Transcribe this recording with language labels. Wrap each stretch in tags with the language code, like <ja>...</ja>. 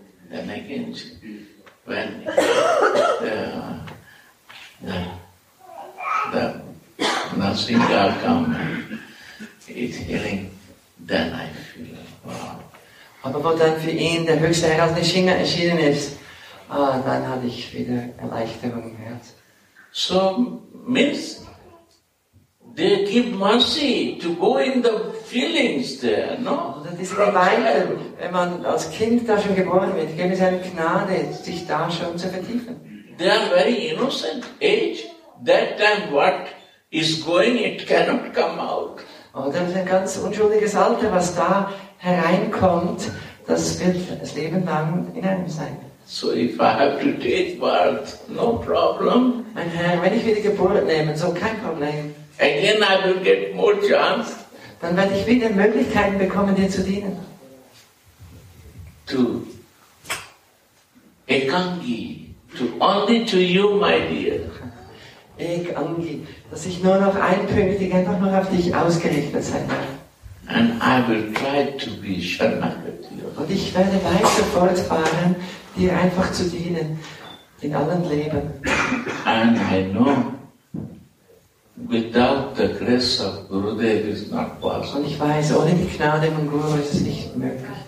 <en>Then again, when Narsingha come and is healing, then I feel wow.</en> <de>Aber wo dann für ihn der höchste Herr aus Narsingha erschienen ist, dann hatte ich wieder Erleichterung im Herz.</de> <en>So means they give mercy to go in the feelings there, no?</en> <de>Das ist Gemeinden, wenn man als Kind da schon geboren wird, geben sie eine Gnade, sich da schon zu vertiefen.</de> <en>They are very innocent age. That time what is going, it cannot come out.</en> <de>Oh, das ist ein ganz unschuldiges Alter, was da hereinkommt, das wird das Leben lang in einem sein.</de> <en>So if I have to take birth, no problem.</en> <de>Mein Herr, wenn ich wieder Geburt nehme, so kein Problem.</de> <en>Again I will get more chance.</en> <de>Dann werde ich wieder Möglichkeiten bekommen, dir zu dienen.</de> <en>To Ekangi, to only to you, my dear.</en> <de>Ekangi, dass ich nur noch einpünktig, einfach nur auf dich ausgerichtet sein darf.</de> <en>And I will try to be Sharanagati.</en> <de>Und ich werde weiter fortfahren, dir einfach zu dienen in allen Leben.</de> <en>And I know, without the grace of Gurudev is not possible.</en> <de>Und ich weiß, ohne die Gnade von Guru ist es nicht möglich.</de>